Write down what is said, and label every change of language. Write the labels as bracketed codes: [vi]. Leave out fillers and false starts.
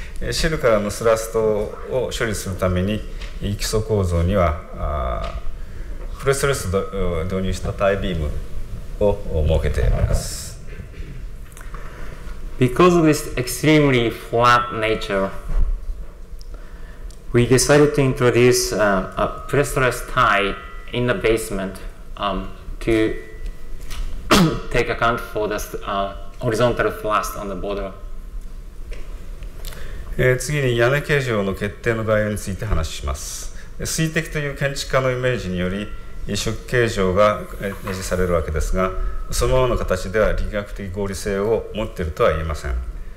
[ja] シェルからのスラストを処理するために基礎構造にはプレスレスを導入したタイビームを設けています。 [en] Because of this extremely flat nature, we decided to introduce a pressless tie in the basement to take account for the horizontal thrust on the border. [ja] 次に屋根形状の決定の概要について話します。水滴という建築家のイメージにより初期形状がネジされるわけですが、そのままの形では力学的合理性を持っているとは言えません。